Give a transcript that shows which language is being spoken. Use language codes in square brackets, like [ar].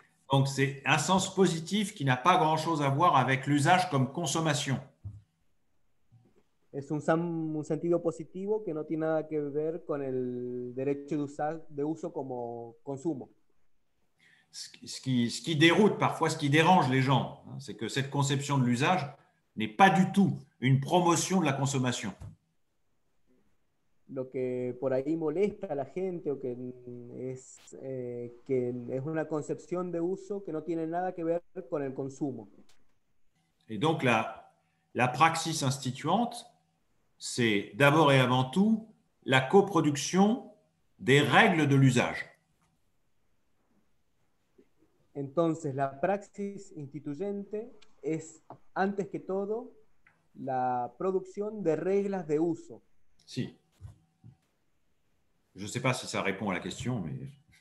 [fr] Donc c'est un sens positif qui n'a pas grand-chose à voir avec l'usage comme consommation. [es] Es un sentido positivo que no tiene nada que ver con el derecho de uso como consumo. [fr] Ce qui déroute parfois, ce qui dérange les gens, hein, c'est que cette conception de l'usage n'est pas du tout une promotion de la consommation. [es] Lo que por ahí molesta a la gente o que es una concepción de uso que no tiene nada que ver con el consumo. [fr] Et donc la praxis instituante, c'est d'abord et avant tout la coproduction des règles de l'usage. [es] Entonces, la praxis instituyente es antes que todo la producción de reglas de uso. Sí. [fr] Je ne sais pas si ça répond à la question, mais.